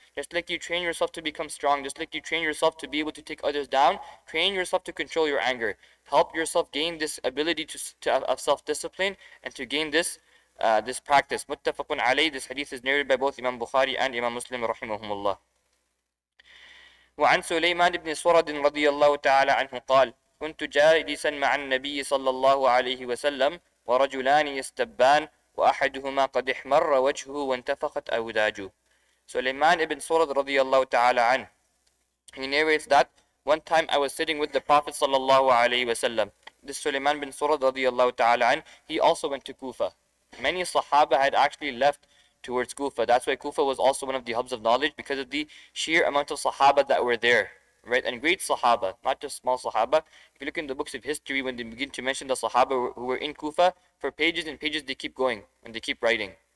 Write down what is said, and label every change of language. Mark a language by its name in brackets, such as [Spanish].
[English] Just like you train yourself to become strong, just like you train yourself to be able to take others down, train yourself to control your anger. Help yourself gain this ability of self-discipline and to gain this practice. Muttafaqun alayh, this hadith is narrated by both Imam Bukhari and Imam Muslim rahimahumullah. [Arabic] وعن سليمان بن سرد رضي الله تعالى عنه قال كنت جالسا مع النبي صلى الله عليه وسلم ورجلان يستبان وأحدهما قد احمر وجهه وانتفخت أوداجه. [English] سليمان بن سرد [Arabic] رضي الله تعالى عنه, [English] he narrates that one time I was sitting with the Prophet [Arabic] صلى الله عليه وسلم. [English] This سليمان بن سرد [Arabic] رضي الله تعالى عنه, [English] he also went to Kufa. Many Sahaba had actually left towards Kufa. That's why Kufa was also one of the hubs of knowledge, because of the sheer amount of Sahaba that were there, right? And great Sahaba, not just small Sahaba. If you look in the books of history, when they begin to mention the Sahaba who were in Kufa, for pages and pages they keep going and they keep writing.